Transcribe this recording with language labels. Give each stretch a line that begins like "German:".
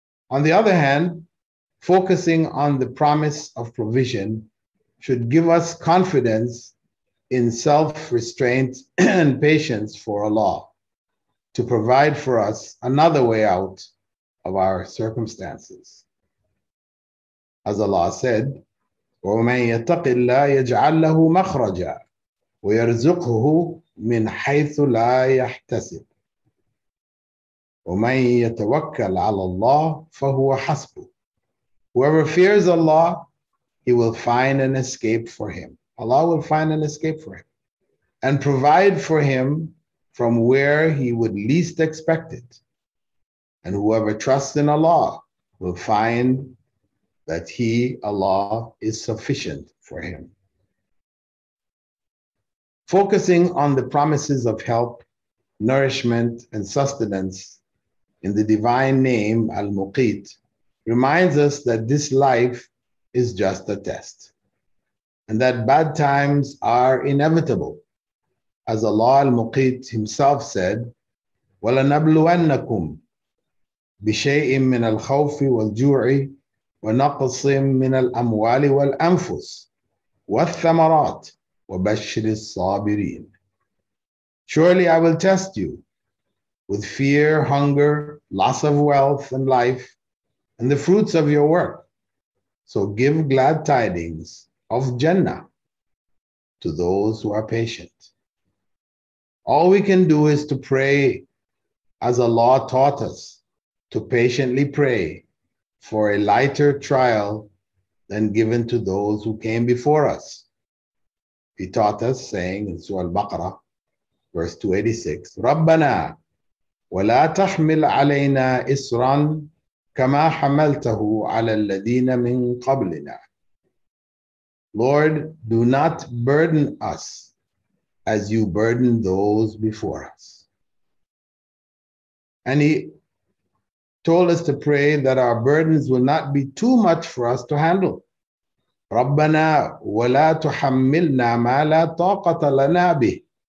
English: On the other hand, focusing on the promise of provision should give us confidence in self-restraint and patience for Allah, to provide for us another way out of our circumstances. As Allah said,
Arabic: وَمَنْ يَتَّقِ اللَّهَ يَجْعَلْ لَهُ مَخْرَجًا وَيَرْزُقْهُ مِنْ حَيْثُ لَا يَحْتَسِبْ وَمَنْ يَتَوَكَّلْ عَلَى اللَّهِ فَهُوَ حَسْبُ.
English: Whoever fears Allah, he will find an escape for him. Allah will find an escape for him and provide for him from where he would least expect it. And whoever trusts in Allah will find that he, Allah, is sufficient for him. Focusing on the promises of help, nourishment, and sustenance in the divine name, Al-Muqit, reminds us that this life is just a test, and that bad times are inevitable. As Allah Al-Muqit himself said,
Arabic: وَلَنَبْلُوَنَّكُمْ بِشَيْءٍ مِّنَ الْخَوْفِ وَالْجُوعِ وَنَقْصٍ مِّنَ الْأَمْوَالِ وَالْأَنفُسِ وَالثَّمَرَاتِ وَبَشِّرِ الصَّابِرِينَ.
English: Surely I will test you with fear, hunger, loss of wealth and life, and the fruits of your work. So give glad tidings of Jannah to those who are patient. All we can do is to pray as Allah taught us, to patiently pray for a lighter trial than given to those who came before us. He taught us, saying in Surah Al-Baqarah, verse 286,
Arabic: رَبَّنَا وَلَا تَحْمِلْ عَلَيْنَا إِسْرًا كَمَا حَمَلْتَهُ عَلَى الَّذِينَ مِنْ قَبْلِنَا.
English: Lord, do not burden us as you burden those before us. And he told us to pray that our burdens will not be too much for us to handle.
Arabic: رَبَّنَا وَلَا تُحَمِّلْنَا مَا لَا طَاقَةَ لَنَا بِهِ.